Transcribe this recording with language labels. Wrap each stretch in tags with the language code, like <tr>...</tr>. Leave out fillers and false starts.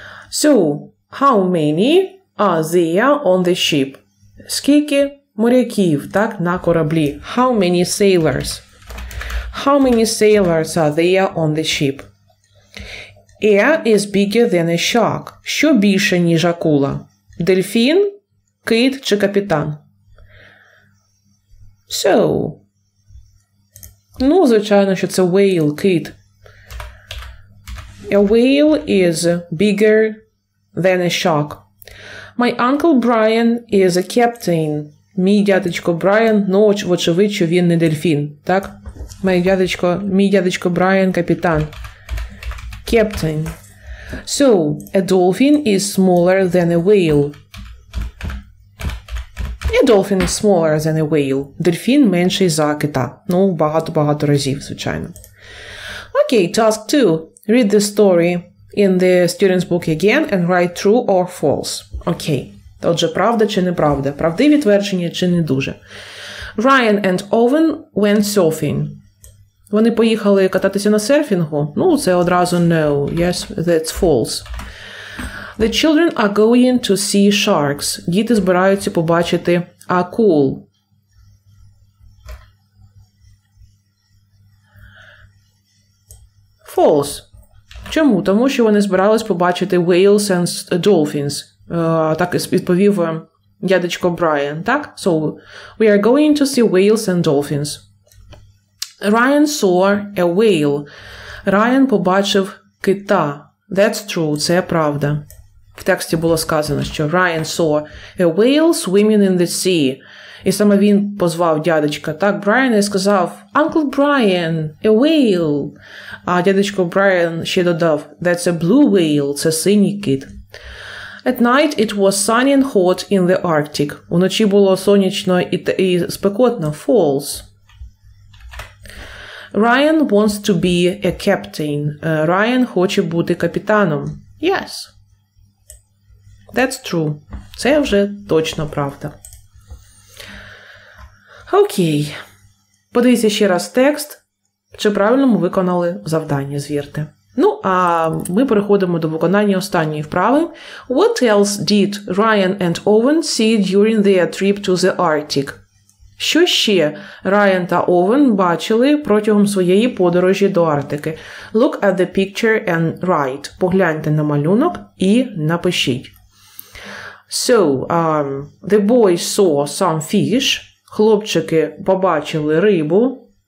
<en>So, how many are there on the ship?</en> <uk>Скільки моряків, так, на кораблі?</uk> <en>How many sailors? How many sailors are there on the ship? Air is bigger than a shark.</en> <uk>Що більше, ніж акула? Дельфін, кит чи капітан? So. Ну, звичайно, що це whale, кит.</uk> <en>A whale is bigger than a shark. My uncle Brian is a captain.</en> <uk>Мій дядечко Брайан, ну, вочевидь, що він не дельфін, так? Мій дядечко Брайан – капітан.</uk> <en>Captain. So, a dolphin is smaller than a whale. A dolphin is smaller than a whale.</en> <uk>Дельфін менший за кита. Ну, багато-багато разів, звичайно.</uk> <en>Okay, task 2. Read the story in the student's book again and write true or false.</en> <uk>Okay. Отже, правда чи неправда? Правдиві твердження чи не дуже?</uk> <en>Ryan and Owen went surfing.</en> <uk>Вони поїхали кататися на серфінгу? Ну, це одразу</uk> <en>no. Yes, that's false. The children are going to see sharks.</en> <uk>Діти збираються побачити акул. False. Чому? Тому що вони збирались побачити</uk> <en>whales and dolphins.</en> <uk>Так і відповів дядечко Брайан. Так?</uk> <en>So, we are going to see whales and dolphins. Ryan saw a whale.</en> <uk>Ryan побачив кита.</uk> <en>That's true.</en> <uk>Це правда. В тексті було сказано, що</uk> <en>Ryan saw a whale swimming in the sea.</en> <uk>І саме він позвав дядечка. Так, Брайан і сказав,</uk> <en>Uncle Brian, a whale.</en> <uk>А дядечко Брайан ще додав,</uk> <en>that's a blue whale,</en> <uk>це синій кит.</uk> <en>At night it was sunny and hot in the Arctic.</en> <uk>Уночі було сонячно і спекотно, falls.</uk> <en>Ryan wants to be a captain.</en> <uk>Ryan хоче бути капітаном.</uk> <en>Yes. That's true.</en> <uk>Це вже точно правда. Окей. Подивіться ще раз текст. Чи правильно ми виконали завдання, звірте. Ну, а ми переходимо до виконання останньої вправи.</uk> <en>What else did Ryan and Owen see during their trip to the Arctic?</en> <uk>Що ще Ryan та Owen бачили протягом своєї подорожі до Арктики?</uk> <en>Look at the picture and write.</en> <uk>Погляньте на малюнок і напишіть.</uk> <en>So, the boys saw some fish.</en> <uk>Хлопчики побачили рибу.</uk>